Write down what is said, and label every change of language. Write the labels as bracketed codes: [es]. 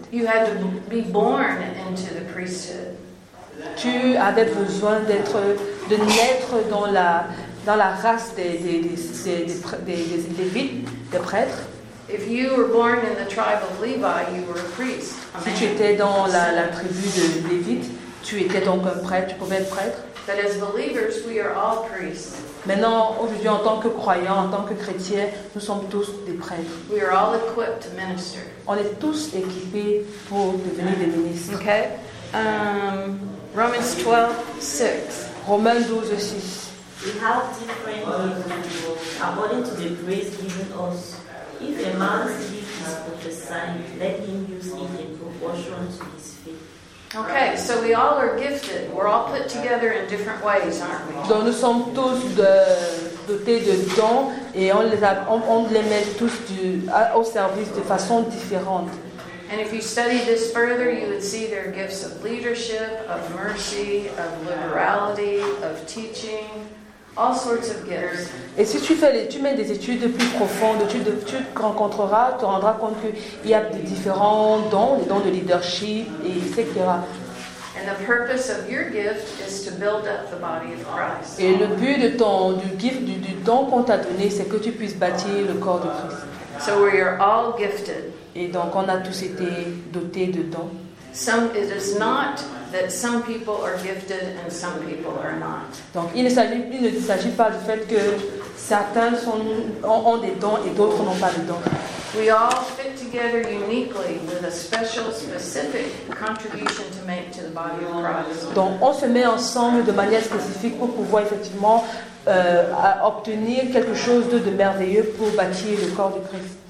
[en] You had to be born into the priesthood. [fr] Tu avais besoin d'être, de naître dans la race des Lévites, des prêtres. [en] If you were born in the tribe of Levi, you were a priest. [fr] Si tu étais dans la tribu de Lévite, tu étais donc un prêtre. Tu pouvais être prêtre. [en] But as believers, we are all priests. [fr] Maintenant, aujourd'hui, en tant que croyants, en tant que chrétiens, nous sommes tous des prêtres. [en] We are all equipped to minister. [fr] On est tous équipés pour devenir des ministres. [en] Okay. Romans 12:6. [fr] Romains 12:6. [en] We have different gifts according to the grace given us. If a man's gift is prophesying, let him use it in proportion to his faith. Okay, so we all are gifted. We're all put together in different ways, aren't we? [fr] Donc nous sommes tous dotés de dons et on les met tous au service de façon différente. [en] And if you study this further, you would see there are gifts of leadership, of mercy, of liberality, of teaching, all sorts of gifts. [fr] Et si tu mets des études plus profondes, tu rencontreras, tu te rendras compte qu'il y a des différents dons, des dons de leadership, etc. [en] And the purpose of your gift is to build up the body of Christ. [fr] Et le but de du don qu'on t'a donné, c'est que tu puisses bâtir le corps de Christ. [en] So we are all gifted. [fr] Et donc on a tous été dotés de dons. [en] Some, it is not that some people are gifted and some people are not. [fr] Donc il ne s'agit pas du fait que certains ont des dons et d'autres n'ont pas de dons. [en] We all fit together uniquely with a special, specific contribution to make to the body of Christ. [fr] Donc on se met ensemble de manière spécifique pour pouvoir effectivement obtenir quelque chose de merveilleux pour bâtir le corps du Christ.